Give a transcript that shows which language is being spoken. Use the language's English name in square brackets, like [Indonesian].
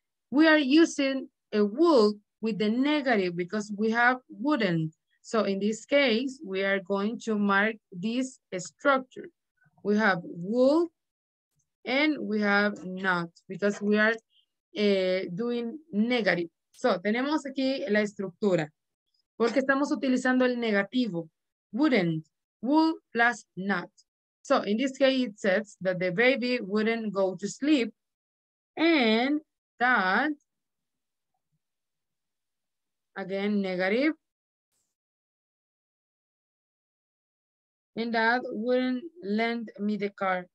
[English] We are using a would with the negative because we have wouldn't. So in this case, we are going to mark this structure. We have would and we have not because we are doing negative. [Spanish] So tenemos aquí la estructura porque estamos utilizando el negativo. [English] Wouldn't, would plus not. So in this case, it says that the baby wouldn't go to sleep and that, again, negative, and that wouldn't lend me the car.